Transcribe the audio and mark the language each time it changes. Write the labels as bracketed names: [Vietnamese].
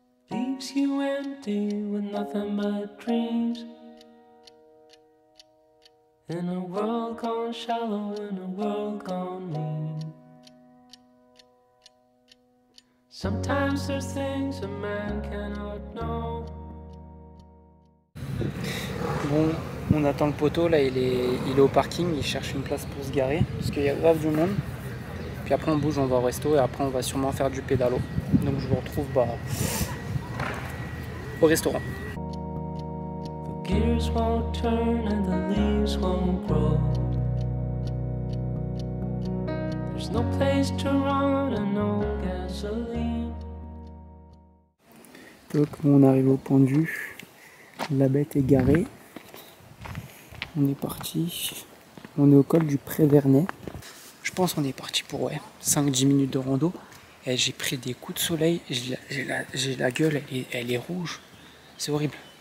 [English] Leaves you empty with nothing but dreams. In a world gone shallow, in a world gone mean. Sometimes there's things a man cannot know. [French] Bon. On attend le poteau, là il est au parking, il cherche une place pour se garer parce qu'il y a grave du monde. Puis après on bouge, on va au resto et après on va sûrement faire du pédalo. Donc je vous retrouve au restaurant. [English] The gears won't turn and the leaves won't grow. There's no place to run and no gasoline. [French] Donc on arrive au pendu, la bête est garée. On est parti, on est au col du Prévernet. Je pense qu'on est parti pour 5-10 minutes de rando. Et j'ai pris des coups de soleil, j'ai la gueule, elle est rouge. C'est horrible.